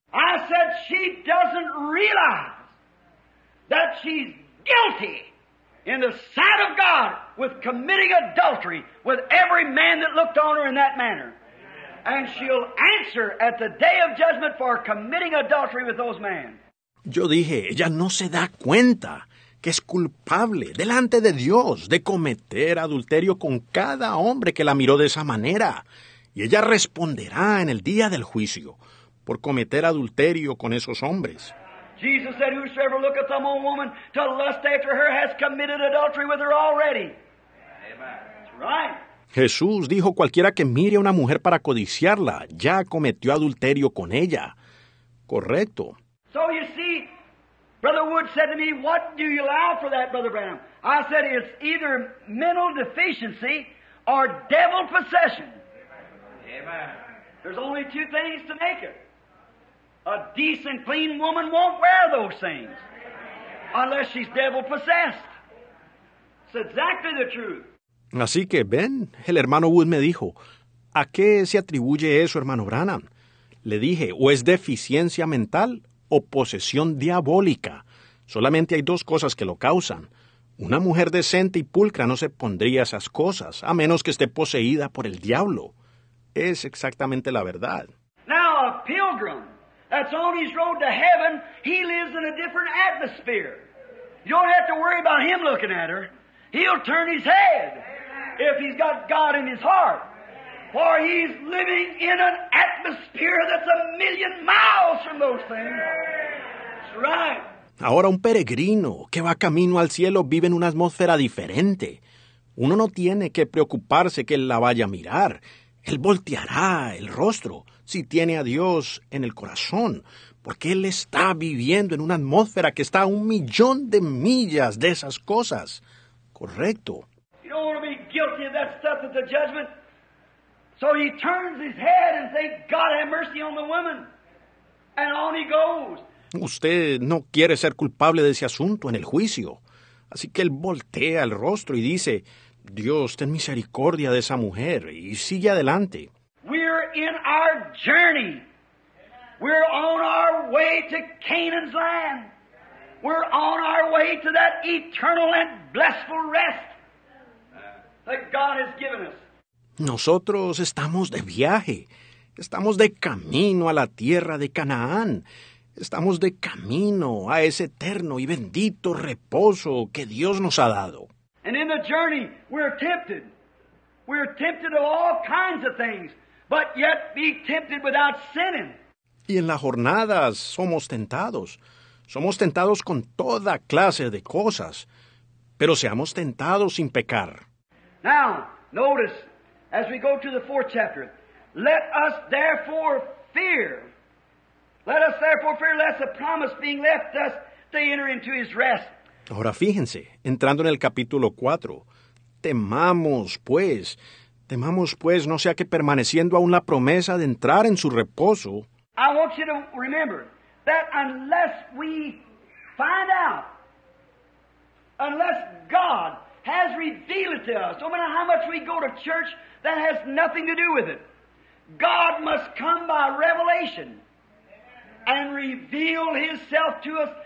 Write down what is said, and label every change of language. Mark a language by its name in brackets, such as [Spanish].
[English] I said she doesn't realize that she's guilty in the sight of God with committing adultery with every man that looked on her in that manner. And she'll answer at the day of judgment for committing adultery with those men. [Spanish] Yo dije, ella no se da cuenta que es culpable delante de Dios de cometer adulterio con cada hombre que la miró de esa manera. Y ella responderá en el día del juicio por cometer adulterio con esos hombres. [English] Jesus said, whosoever looketh on a woman to lust after her has committed adultery with her already. Amen. That's right. [Spanish] Jesús dijo, cualquiera que mire a una mujer para codiciarla, ya cometió adulterio con ella. Correcto. [English] So you see, Brother Wood said to me, what do you allow for that, Brother Branham? I said, it's either mental deficiency or devil possession. Amen. There's only two things to make it. A decent, clean woman won't wear those things unless she's devil-possessed. It's exactly the truth. [Spanish] Así que, ven, el hermano Wood me dijo, ¿a qué se atribuye eso, hermano Branham? Le dije, o es deficiencia mental o posesión diabólica. Solamente hay dos cosas que lo causan. Una mujer decente y pulcra no se pondría esas cosas, a menos que esté poseída por el diablo. Es exactamente la verdad. [English] Now, a pilgrim that's on his road to heaven, he lives in a different atmosphere. You don't have to worry about him looking at her. He'll turn his head if he's got God in his heart. For he's living in an atmosphere that's a million miles from those things. That's right. [Spanish] Ahora un peregrino que va camino al cielo vive en una atmósfera diferente. Uno no tiene que preocuparse que él la vaya a mirar. Él volteará el rostro si tiene a Dios en el corazón, porque él está viviendo en una atmósfera que está a un millón de millas de esas cosas. Correcto. [English] You don't want to be guilty of that stuff at the judgment. So he turns his head and says, God have mercy on the woman. And on he goes. [Spanish] Usted no quiere ser culpable de ese asunto en el juicio. Así que él voltea el rostro y dice, Dios, ten misericordia de esa mujer, y sigue adelante. [English] We're in our journey. We're on our way to Canaan's land. We're on our way to that eternal and blissful rest that God has given us. [Spanish] Nosotros estamos de viaje. Estamos de camino a la tierra de Canaán. Estamos de camino a ese eterno y bendito reposo que Dios nos ha dado. [English] And in the journey, we're tempted. We're tempted of all kinds of things, but yet be tempted without sinning. [Spanish] Y en las jornadas somos tentados. Somos tentados con toda clase de cosas, pero seamos tentados sin pecar. [English] Now, notice, as we go to the fourth chapter, let us therefore fear. Let us therefore fear lest the promise being left us to enter into his rest. [Spanish] Ahora fíjense, entrando en el capítulo 4, temamos pues, no sea que permaneciendo aún la promesa de entrar en su reposo. [English] I want you to remember that unless we find out, unless God has revealed it to us, no matter how much we go to church, that has nothing to do with it. God must come by revelation and reveal himself to us.